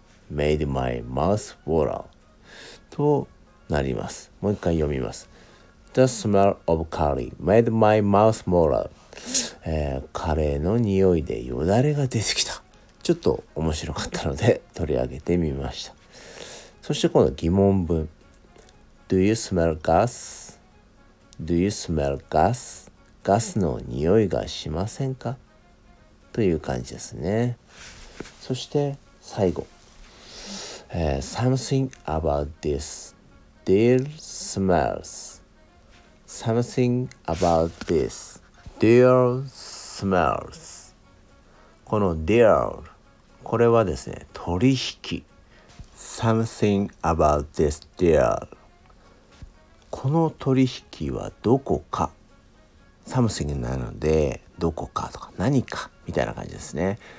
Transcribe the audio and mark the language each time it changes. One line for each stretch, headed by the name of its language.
English: made my mouth water
Japanese: となります。もう一回読みます。
English: The smell of curry made my mouth water.
Japanese: カレーの匂いでよだれが出てきた。ちょっと面白かったので取り上げてみました。そして今度疑問文。
English: Do you smell gas? Do you smell gas?
Japanese: ガスの匂いがしませんか？という感じですね。そして最後。
English: Something about this deer smells. Something about this deer smells.
Japanese: この deer、 これはですね、取引。
English: Something about this deer。
Japanese: この取引はどこか。 Something なので、どこかとか何かみたいな感じですね。